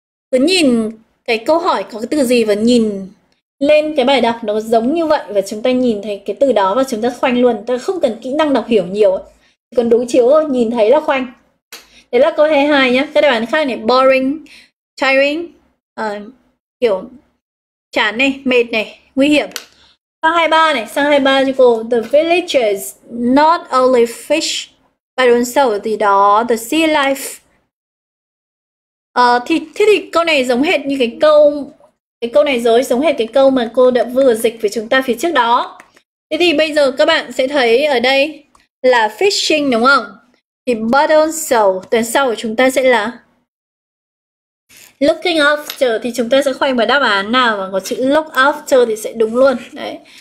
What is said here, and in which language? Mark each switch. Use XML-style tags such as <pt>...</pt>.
<vi>Cứ nhìn cái câu hỏi có cái từ gì và nhìn lên cái bài đọc nó giống như vậy và chúng ta nhìn thấy cái từ đó và chúng ta khoanh luôn, ta không cần kỹ năng đọc hiểu nhiều ấy. Còn đối chiếu thôi, nhìn thấy là khoanh. Đấy là câu 22 nhá. Cái đáp án khác này, boring, tiring, kiểu chán này, mệt này, nguy hiểm. Sang 23 này, sang 23 cho cô.</vi> <en>The villagers, not only fish, but also the</en> <vi>đó,</vi> <en>the sea life.</en> <vi>Thì câu này giống hệt như cái câu này rồi, giống hệt cái câu mà cô đã vừa dịch với chúng ta phía trước đó. Thế thì bây giờ các bạn sẽ thấy ở đây là fishing đúng không? Thì but also, tuần sau của chúng ta sẽ là looking after, thì chúng ta sẽ khoanh vào đáp án nào mà có chữ look after thì sẽ đúng luôn. Đấy.</vi>